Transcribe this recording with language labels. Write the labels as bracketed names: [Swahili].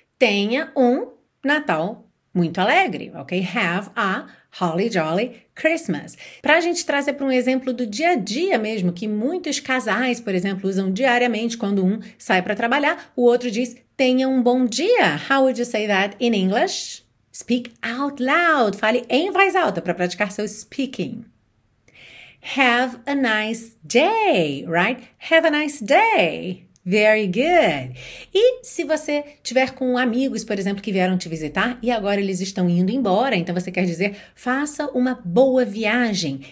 [Portuguese] Tenha um Natal muito alegre, ok? [English] Have a holly jolly Christmas. [Portuguese] Para a gente trazer para um exemplo do dia a dia mesmo, que muitos casais, por exemplo, usam diariamente quando um sai para trabalhar, o outro diz, tenha um bom dia. [English] How would you say that in English? Speak out loud. [Portuguese] Fale em voz alta para praticar seu speaking. [English] Have a nice day, right? Have a nice day. Very good. [Portuguese] E se você tiver com amigos, por exemplo, que vieram te visitar e agora eles estão indo embora, então você quer dizer, faça uma boa viagem.